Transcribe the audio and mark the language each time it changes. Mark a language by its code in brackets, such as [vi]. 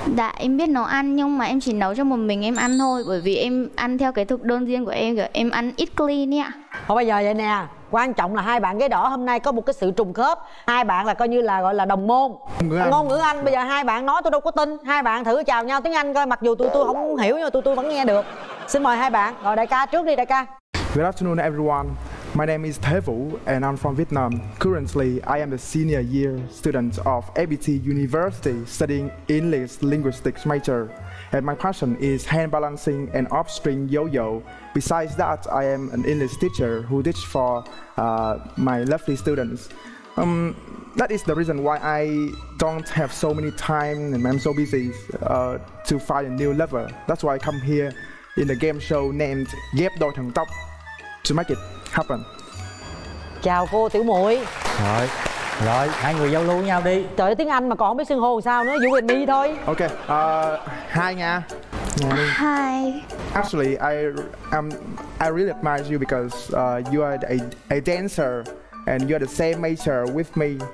[vi] Dạ em biết nấu ăn, nhưng mà em chỉ nấu cho một mình em ăn thôi. Bởi vì em ăn theo cái thực đơn riêng của em, kiểu em ăn ít clean ý ạ. Thôi bây giờ vậy nè, quan trọng là hai bạn ghế đỏ hôm nay có một cái sự trùng khớp. Hai bạn là coi như là gọi là đồng môn ngôn ngữ Anh. Bây giờ hai bạn nói tôi đâu có tin. Hai bạn thử chào nhau tiếng Anh coi, mặc dù tụi tôi không hiểu nhưng mà tụi tôi vẫn nghe được. Xin mời hai bạn, rồi đại ca trước đi đại ca. [en] Good afternoon everyone. My name is Thế Vũ and I'm from Vietnam. Currently, I am a senior year student of ABT University studying English Linguistics major. And my passion is hand balancing and upstring yo-yo. Besides that, I am an English teacher who teach for my lovely students. That is the reason why I don't have so many time and I'm so busy to find a new lover. That's why I come here in a game show named Ghép Đôi Thần Tốc to make it happen. [vi] Chào cô tiểu muội. Rồi. Rồi, hai người giao lưu với nhau đi. Trời ơi, tiếng Anh mà còn không biết xưng hô sao nữa, [en] you and me [vi] thôi. Ok. Hi nha. Hi. [en] Actually, I really admire you because you are a dancer and you are the same major with me.